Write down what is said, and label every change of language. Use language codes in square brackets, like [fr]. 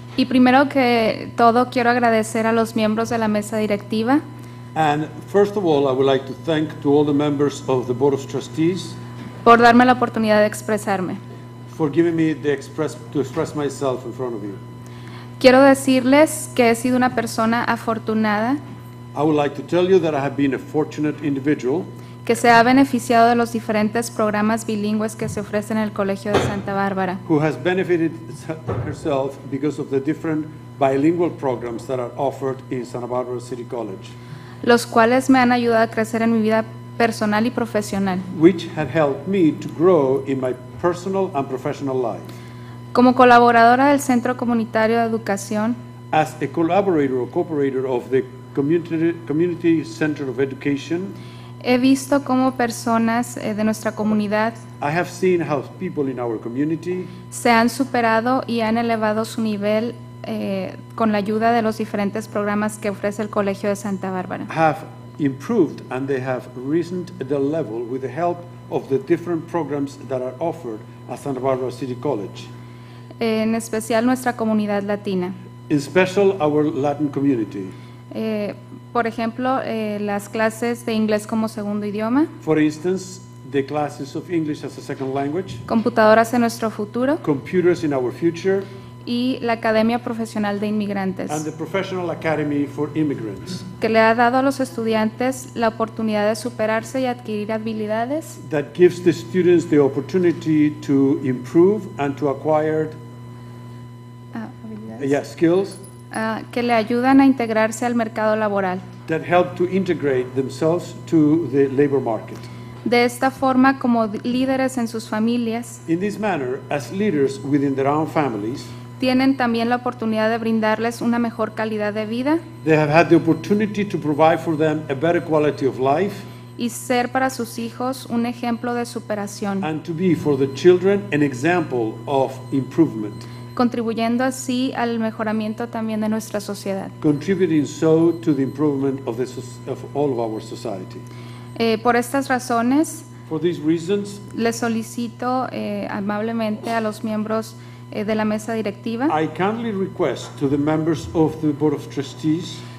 [es] Y primero que todo, quiero agradecer a los miembros de la mesa directiva. [en] And first of all, I would like to thank to all the members of the Board of Trustees [es] por darme la oportunidad de expresarme. [en] For giving me the to express myself in front of you. [es] Quiero decirles que he sido una persona afortunada. [en] I would like to tell you that I have been a fortunate individual [es] que se ha beneficiado de los diferentes programas bilingües que se ofrecen en el Colegio de Santa Bárbara. [en] Who has benefited herself because of the different bilingual programs that are offered in Santa Barbara City College. [es] Los cuales me han ayudado a crecer en mi vida personal y profesional. [en] Which have helped me to grow in my personal and professional life. [es] Como colaboradora del Centro Comunitario de Educación. [en] As a collaborator or cooperator of the Community Center of Education. [es] He visto cómo personas de nuestra comunidad [en] I have seen how people in our community [es] se han superado y han elevado su nivel con la ayuda de los diferentes programas que ofrece el Colegio de Santa Bárbara. [en] Have improved and they have risen the level with the help of the different programs that are offered at Santa Barbara City College. [es] En especial nuestra comunidad latina. [en] In special our Latin community. [es] Por ejemplo, las clases de inglés como segundo idioma. [en] For instance, the classes of English as a second language. [es] Computadoras en nuestro futuro. [en] Computers in our future. [es] Y la Academia Profesional de Inmigrantes. [en] And the Professional Academy for Immigrants. [es] Que le ha dado a los estudiantes la oportunidad de superarse y adquirir habilidades. [en] That gives the students the opportunity to improve and to acquire skills. [es] Que le ayudan a integrarse al mercado laboral. [en] That help to integrate themselves to the labor market. [es] De esta forma, como líderes en sus familias, [en] in this manner, as leaders within their own families, [es] tienen también la oportunidad de brindarles una mejor calidad de vida. [en] They have had the opportunity to provide for them a better quality of life. [es] Y ser para sus hijos un ejemplo de superación. [en] And to be for the children an example of improvement. [es] Contribuyendo así al mejoramiento también de nuestra sociedad. [en] Contributing so to the improvement of, this, of all of our society. [es] Por estas razones, [en] for these reasons, [es] le solicito amablemente a los miembros de la mesa directiva. [en] I kindly request to the members of the Board of Trustees.